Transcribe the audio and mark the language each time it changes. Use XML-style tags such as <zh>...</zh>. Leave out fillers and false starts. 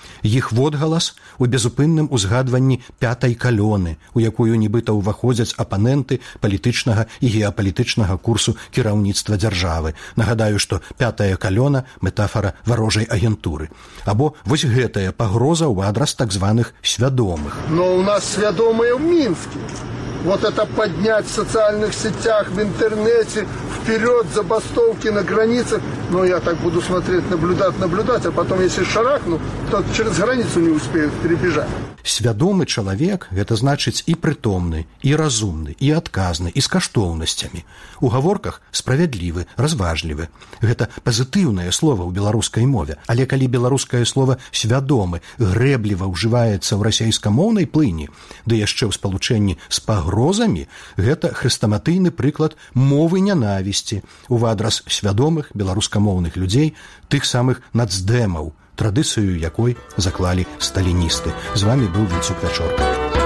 <be>Іх водгалас у безупынным узгадванні «пятай калёны», у якую нібыта ўваходзяць апаненты палітычнага і геапалітычнага курсу кіраўніцтва дзяржавы. Нагадаю, што «пятая калёна» – метафара варожай агентуры. Або вось гэтая пагроза ў адрас так званых «свядомых».</be> <ru>Но у нас свядомыя ў Мінскі. Вот это поднять в социальных сетях, в интернете, вперед, забастовки на границах. Ну, я так буду смотреть, наблюдать, а потом, если шарахну, то через границу не успеют перебежать.</ru> <be>Свядомы чалавек – гэта значыць і прытомны, і разумны, і адказны, і з каштоўнасцямі. У гаворках – справядлівы, разважлівы. Гэта пазітыўнае слова ў беларускай мове. Але калі беларускае слова «свядомы» грэбліва ўжываецца ў расейскамоўнай плыні, ды яшчэ ў спалучэнні з пагрозамі, гэта хрэстаматыйны прыклад мовы нянавісці ў адрас свядомых беларускамоўных людзей, тых самых нацдэмаў, традыцыю якой заклалі сталіністы. З вами быў Віцюк Вячорка.</be>